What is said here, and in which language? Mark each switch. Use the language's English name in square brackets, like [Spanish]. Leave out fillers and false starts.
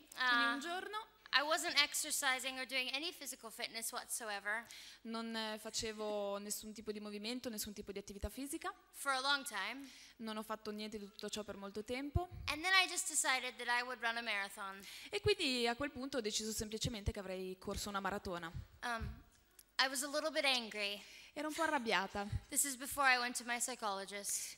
[Italian] un giorno [English] I wasn't exercising or doing any physical fitness whatsoever. [Italian] Non facevo nessun tipo di movimento, nessun tipo di attività fisica. [English] For a long time. [Italian] Non ho fatto niente di tutto ciò per molto tempo. [English] And then I just decided that I would run a marathon. [Italian] E quindi a quel punto ho deciso semplicemente che avrei corso una maratona. [English] I was a little bit angry. [Italian] Ero un po' arrabbiata. [English] This is before I went to my psychologist.